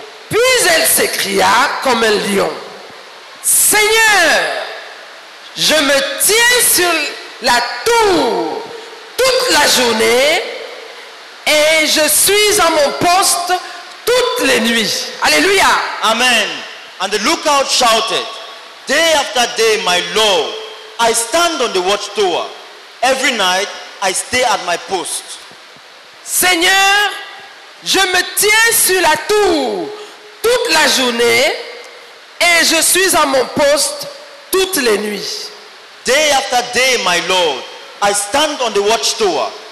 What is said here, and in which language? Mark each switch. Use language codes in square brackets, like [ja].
[fr] Puis elle s'écria comme un lion. Seigneur, je me tiens sur la tour toute la journée et je suis à mon poste toutes les nuits. Alléluia. Amen. [en] And the lookout shouted, day after day, my Lord, I stand on the watchtower. Every night, I stay at my post. [fr] Seigneur, je me tiens sur la tour toute la journée et je suis à mon poste toutes les nuits. [en] Day after day, my Lord, I stand on the watchtower.